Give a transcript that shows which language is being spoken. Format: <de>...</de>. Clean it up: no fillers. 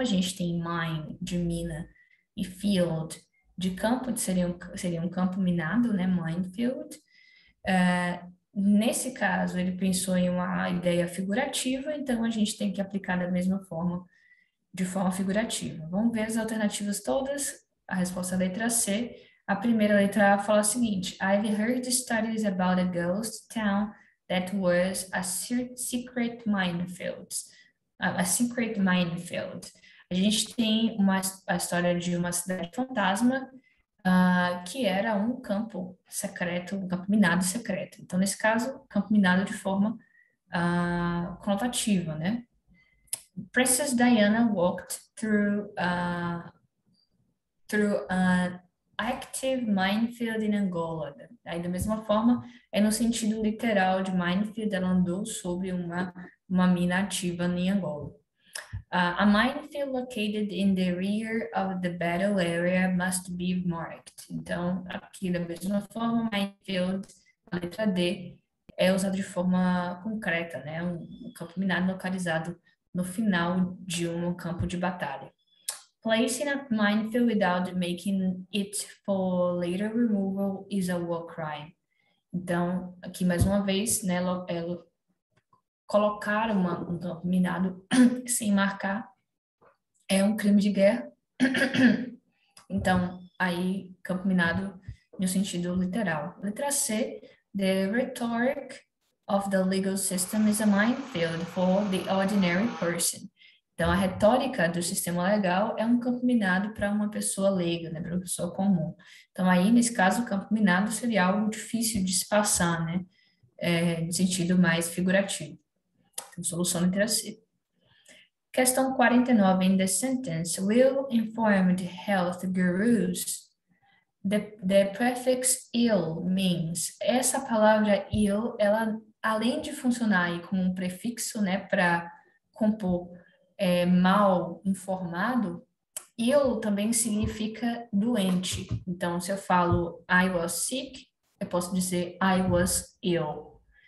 <pt>A gente tem mine, de mina, e field, de campo, seria um campo minado, né? Minefield. Nesse caso, ele pensou em uma ideia figurativa, então a gente tem que aplicar da mesma forma, de forma figurativa. Vamos ver as alternativas todas. A resposta é a letra C. A primeira letra A fala o seguinte:</pt> <en>I've heard stories about a ghost town that was a secret minefield. A secret minefield.</en> <pt>A gente tem a história de uma cidade fantasma, que era um campo secreto, um campo minado secreto. Então, nesse caso, campo minado de forma conotativa, né?</pt> <en>Princess Diana walked through an active minefield in Angola.</en> <pt>Aí, da mesma forma, é no sentido literal de minefield, ela andou sobre uma mina ativa em Angola.</pt> <en>A minefield located in the rear of the battle area must be marked.</en> <pt>Então, aqui da mesma forma, minefield, a letra D, é usado de forma concreta, né? Um campo minado localizado no final de um campo de batalha.</pt> <en>Placing a minefield without making it for later removal is a war crime.</en> <pt>Então, aqui mais uma vez, né? Colocar um campo minado sem marcar é um crime de guerra. Então, aí, campo minado no sentido literal. Letra C,</pt> <en>the rhetoric of the legal system is a minefield for the ordinary person.</en> <pt>Então, a retórica do sistema legal é um campo minado para uma pessoa leiga, né? Para uma pessoa comum. Então, aí, nesse caso, o campo minado seria algo difícil de se passar, né? No sentido mais figurativo. Solução entre si. Questão 49.</pt> <en>In the sentence, will informed health gurus, the prefix ill means.</en> <pt>Essa palavra ill, ela além de funcionar aí como um prefixo, né, para compor mal informado, ill também significa doente. Então, se eu falo</pt> <en>I was sick,</en> <pt>eu posso dizer</pt> <en>I was ill.</en>